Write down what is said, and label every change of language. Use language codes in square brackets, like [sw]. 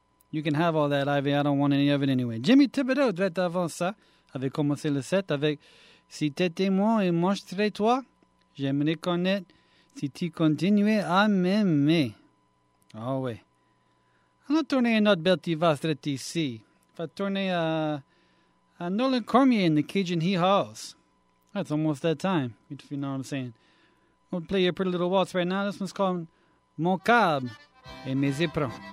[en] You can have all that, Ivy. I don't want any of it anyway. [fr] Jimmy Thibodeau, direct avant ça, avait commencé le set avec Si t'étais moi et montrerais-toi, j'aimerais connaître si tu continuais à m'aimer. Ah oui. On va tourner à notre belle tivastre ici. On va tourner à Nolan Cormier in the Cajun Hee Haws. [en] That's almost that time, if you know what I'm saying. We'll play your Pretty Little Waltz right now. This one's called Mon Cab et Mes Éperons.